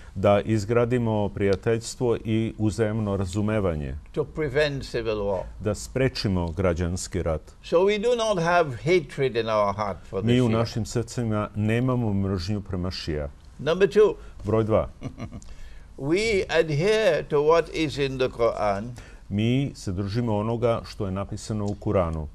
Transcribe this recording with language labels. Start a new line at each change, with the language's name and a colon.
Serbian: Da izgradimo prijateljstvo i uzajemno razumevanje.
English: To prevent civil war.
Serbian: Da sprečimo građanski rat.
English: So we do not have hatred in our heart for the
Serbian: Shia. Mi u našim srcima nemamo mržnju prema Shia.
English: Number two.
Serbian: Broj dva.
English: We adhere to what is in the Quran.
Serbian: Mi se držimo onoga što je napisano u Kuranu.